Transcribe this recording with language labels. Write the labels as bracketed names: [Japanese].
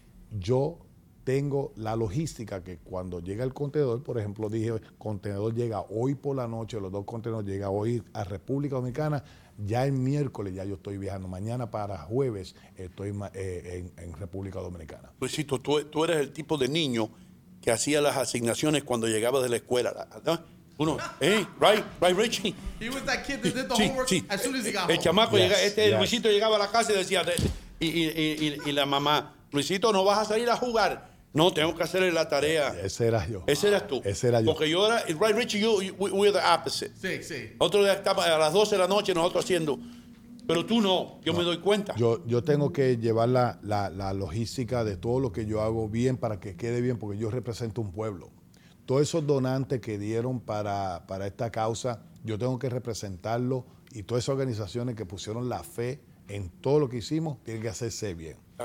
[Spanish] Yo tengo la logística que cuando llega el contenedor, por ejemplo, dije, contenedor llega hoy por la noche, los dos contenedores llegan hoy a República Dominicana, ya el miércoles ya yo estoy viajando. Mañana para jueves estoy en República Dominicana. Luisito, tú eres el tipo de niño que hacía las asignaciones cuando llegaba de la escuela. Uno, right, Richie. [English] He was that kid that did the homework as soon as he got home. [Spanish] El chamaco, Luisito llegaba a la casa y decía, y la mamá, Luisito, ¿no vas a salir a jugar? No, tengo que hacerle la tarea. Ese era yo. Ese eras tú. Ese era yo. Porque yo era, [English] right, Richie, we were the opposite. [Spanish] Sí, sí. Otro día estaba a las 12 de la noche nosotros haciendo, pero tú no, yo no. Me doy cuenta. Yo tengo que llevar la logística de todo lo que yo hago bien para que quede bien, porque yo represento un pueblo. Todos esos donantes que dieron para esta causa, yo tengo que representarlo, y todas esas organizaciones que pusieron la fe en todo lo que hicimos, tienen que hacerse bien.